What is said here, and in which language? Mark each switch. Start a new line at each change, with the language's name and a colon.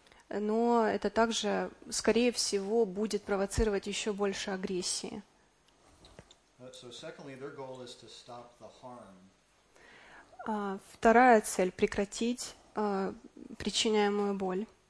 Russian: Но это также, скорее всего, будет провоцировать еще больше агрессии.
English: So secondly, their goal is to stop the harm.
Russian: Вторая цель — прекратить причиняемую боль.